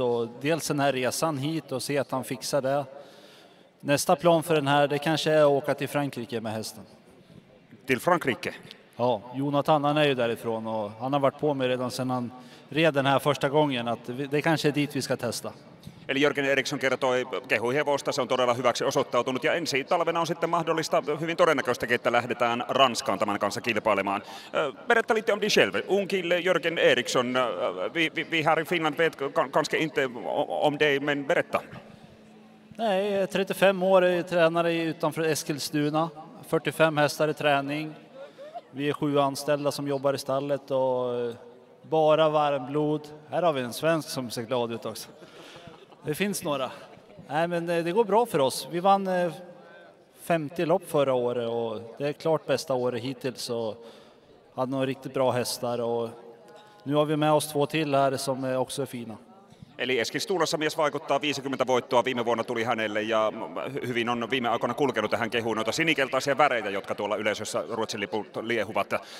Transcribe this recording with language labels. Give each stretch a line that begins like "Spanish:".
Swedish: Och dels den här resan hit och se att han fixar det. Nästa plan för den här, det kanske är att åka till Frankrike med hästen. Till Frankrike? Ja, Jonathan han är ju därifrån och han har varit på mig redan sedan han redan här första gången att det kanske är dit vi ska testa.
Finnish: Eli Jörgen Eriksson kertoi kehuhevosta, se on todella hyväksi osoittautunut ja ensi talvena on sitten mahdollista, hyvin todennäköistäkin, että lähdetään Ranskaan tämän kanssa kilpailemaan.
Swedish: Berätta lite om dig själv. Unkille Jörgen Eriksson, vi här i Finland vet kanske inte om dig, men berätta. Nej, 35 år är tränare utanför Eskilstuna. 45 hästar i träning. Vi är 7 anställda som jobbar i stallet och bara varmblod. Här har vi en svensk som ser glad ut också. Det finns några. Nej, men det går bra för oss. Vi vann 50 lopp förra året och det är klart bästa året hittills. Vi hade några riktigt bra hästar och nu har vi med oss 2 till här som också är fina.
Finnish: Eli Eskilstunassa mies vaikuttaa, 50 voittoa viime vuonna tuli hänelle ja hyvin on viime aikoina kulkenut tähän kehuun noita sinikeltaisia väreitä, jotka tuolla yleisössä Ruotsin liput liehuvat.